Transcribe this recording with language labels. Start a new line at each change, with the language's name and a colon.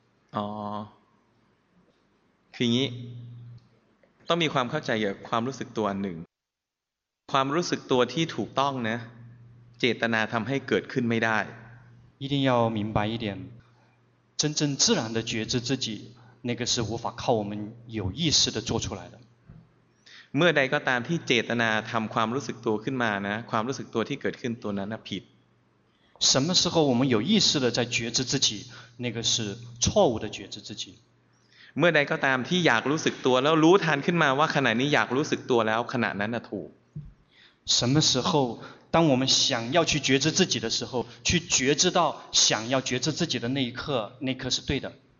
Thai: 哦คืองี้ต้องมีความเข้าใจกับความรู้สึกตัวอันหนึ่งความรู้สึกตัวที่ถูกต้องนะเจตนาทำให้เกิดขึ้นไม่ได้
Chinese: 一定要明白一点真正自然的觉知自己那个是无法靠我们有意识的做出来的
Thai: เมื่อใดก็ตามที่เจตนาทำความรู้สึกตัวขึ้นมานะความรู้สึกตัวที่เกิดขึ้นตัวนั้นน่ะผิด
Chinese: 什么时候我们有意识的在觉知自己那个是错误的觉知自己
Thai: เมื่อใดก็ตามที่อยากรู้สึกตัวแล้วรู้ทันขึ้นมาว่าขณะนี้อยากรู้สึกตัวแล้วขณะนั้นน่ะถูก
Chinese: 什么时候当我们想要去觉知自己的时候去觉知到想要觉知自己的那一刻那一刻是对的